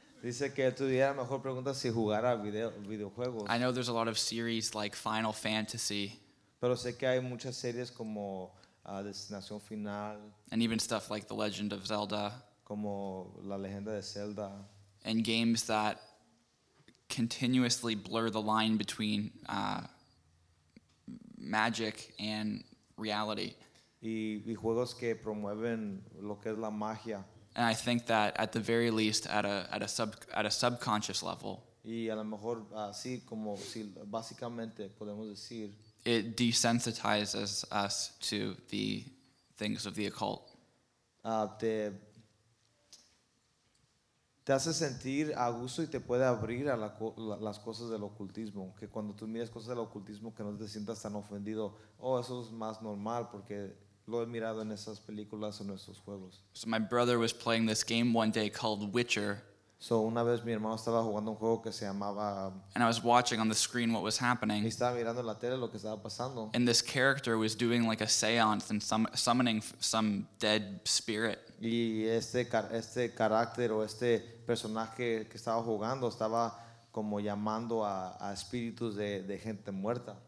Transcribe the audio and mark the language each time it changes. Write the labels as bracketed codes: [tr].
[es] Dice que estudiara mejor preguntas si jugara videojuegos. [en] I know there's a lot of series like Final Fantasy. [es] Pero sé que hay muchas series como Destinación Final. [en] And even stuff like The Legend of Zelda. [es] Como La Leyenda de Zelda. [en] And games that continuously blur the line between magic and reality. [es] Y juegos que promueven lo que es la magia. [en] And I think that at the very least, at a subconscious level, [es] y a lo mejor así como si básicamente podemos decir, [en] it desensitizes us to the things of the occult. [es] Te hace sentir a gusto y te puede abrir a las cosas del ocultismo. Que cuando tú miras cosas del ocultismo, que no te sientas tan ofendido. Oh, eso es más normal porque lo he mirado en esas películas o en esos juegos. [en] So my brother was playing this game one day called Witcher. [es] So una vez mi hermano estaba jugando un juego que se llamaba. [en] And I was watching on the screen what was happening. [es] Y estaba mirando en la tele lo que estaba pasando. [en] And this character was doing like a seance and summoning some dead spirit. [es] Y este carácter o este personaje que estaba jugando estaba como llamando a espíritus de gente muerta.